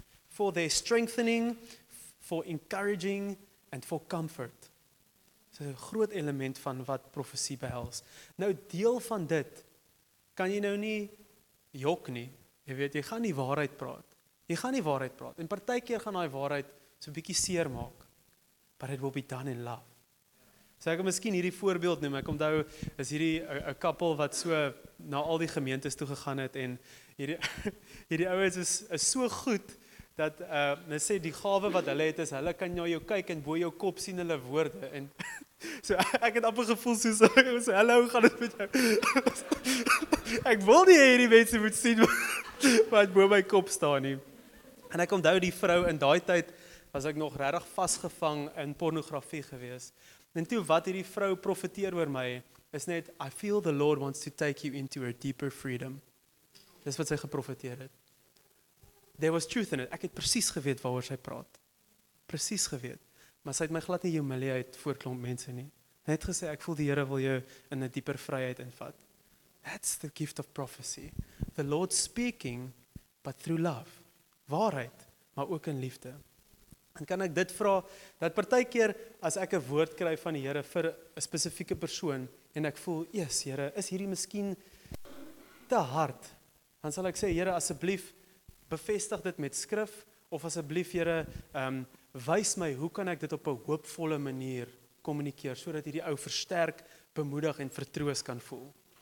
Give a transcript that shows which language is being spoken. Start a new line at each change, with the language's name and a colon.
English: For their strengthening, for encouraging, and for comfort.
Afrikaans: Dit is 'n groot element van wat profesie behels. Nou, deel van dit, kan jy nou nie jok nie, jy weet, jy gaan nie waarheid praat. Jy gaan nie waarheid praat, en partykeer gaan die waarheid so 'n bietjie seer maak.
English: But it will be done in love.
Afrikaans: So ek kan miskien hierdie voorbeeld noem, ek onthou, is hierdie
English: a couple
Afrikaans: wat so na al die gemeentes toe gegaan het, en hierdie ouens is so goed, dat hulle sê die gawe wat hulle het is, hulle kan na jou kyk en bo jou kop sien hulle woorde, en so ek het amper gevoel soos, so, hallo, gaan dit met jou? Ek wil nie hierdie mense moet sien, wat bo my kop staan nie. En ek onthou die vrou in daai tyd, was ek nog regtig vasgevang in pornografie gewees. En toe wat hierdie vrou profeteer oor my, is net,
English: I feel the Lord wants to take you into a deeper freedom.
Afrikaans: Dis wat sy geprofeteer het.
English: There was truth in it.
Afrikaans: Ek het precies geweet waaroor sy praat. Precies geweet. Maar sy het my glad nie humiliëer voor klomp mense nie. Sy het gesê, ek voel die Here wil jou in 'n dieper vryheid invat.
English: That's the gift of prophecy. The Lord speaking, but through love.
Afrikaans: Waarheid, maar ook in liefde. En kan ek dit vra, dat partykeer as ek 'n woord kry van die Here vir 'n spesifieke persoon, en ek voel, yes, Here, is hierdie miskien te hard, dan sal ek sê, Here, asseblief, bevestig dit met skrif, of asseblief, Here, wys my, hoe kan ek dit op 'n hoopvolle manier kommunikeer, sodat hierdie ou versterk, bemoedig en vertroos kan voel.